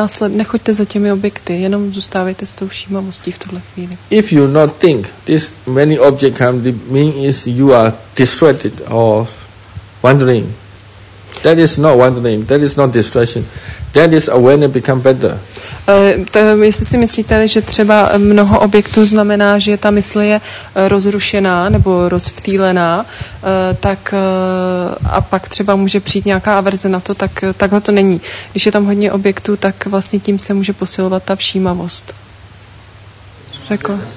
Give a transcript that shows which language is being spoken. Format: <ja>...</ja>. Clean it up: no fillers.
<cs>Nechoďte za těmi objekty, jenom zůstávejte s tou všímavostí v tuhle chvíli.</cs> <en>If you not think this many object come, the meaning is you are distracted or wandering. That is not wandering, that is not distraction. That is awareness become better.</en> <cs>Jestli si myslíte, že třeba mnoho objektů znamená, že ta mysl je rozrušená nebo rozptýlená, tak a pak třeba může přijít nějaká averze na to, tak takhle to není. Když je tam hodně objektů, tak vlastně tím se může posilovat ta všímavost. Řekl?</cs>